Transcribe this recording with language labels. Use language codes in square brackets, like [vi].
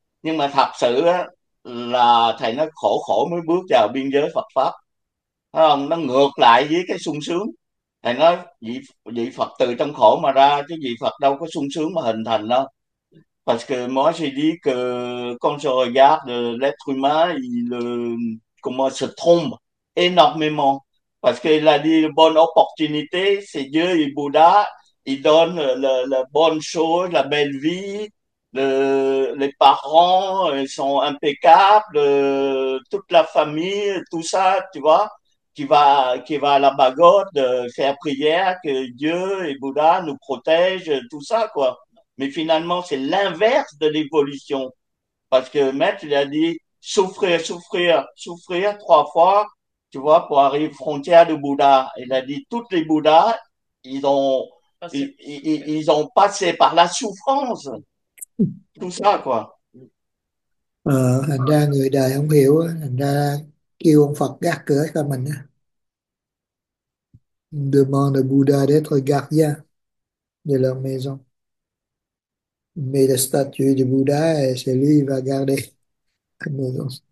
[vi] Nhưng mà thật sự á là thầy nói khổ khổ mới bước vào biên giới Phật pháp, thấy không, nó ngược lại với cái sung sướng. Thầy nói vị Phật từ trong khổ mà ra, chứ vị Phật đâu có sung sướng mà hình thành đâu. [fr] Parce que moi j'ai dit que quand je regarde l'être humain, il comment se trompe énormément. Parce que il a dit la bonne opportunité, c'est Dieu et Bouddha, il donne la bonne chose, la belle vie. Les parents sont impeccables, toute la famille, tout ça, tu vois, qui va à la pagode faire prière que Dieu et Bouddha nous protègent, tout ça, quoi. Mais finalement, c'est l'inverse de l'évolution. Parce que Maître, il a dit souffrir, souffrir, souffrir 3 fois, tu vois, pour arriver aux frontières du Bouddha. Il a dit tous les Bouddhas, ils ont passé par la souffrance. Tout ça, quoi. [vi] Thành ra người đời không hiểu, thành ra kêu ông Phật gác cửa cho mình. [fr] Demande à Bouddha d'être gardien de leur maison. Mais la statue de Bouddha, c'est lui qui va garder la maison.